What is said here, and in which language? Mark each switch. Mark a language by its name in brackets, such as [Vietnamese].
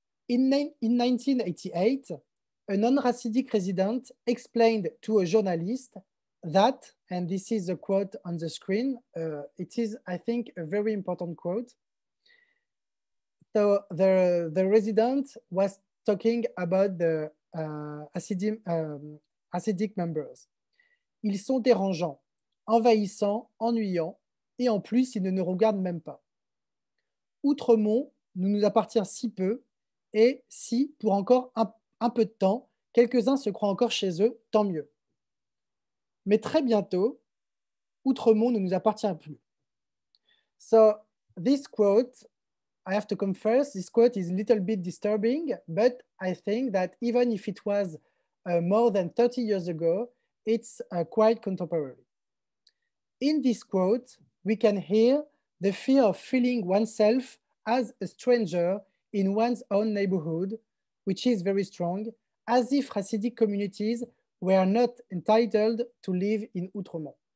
[English] In 1988, a non-Hasidic resident explained to a journalist that, and this is a quote on the screen, it is, I think, a very important quote. So the resident was talking about the Hasidic members. [French] Ils sont dérangeants, envahissants, ennuyants, et en plus, ils ne nous regardent même pas. Outremont, nous nous appartient si peu, et si, pour encore un peu de temps, quelques-uns se croient encore chez eux, tant mieux. Mais très bientôt, Outremont ne nous appartient plus. [English] So, this quote, I have to confess, this quote is a little bit disturbing, but I think that even if it was more than 30 years ago, it's quite contemporary. In this quote, we can hear the fear of feeling oneself as a stranger in one's own neighborhood, which is very strong, as if Hasidic communities were not entitled to live in Outremont.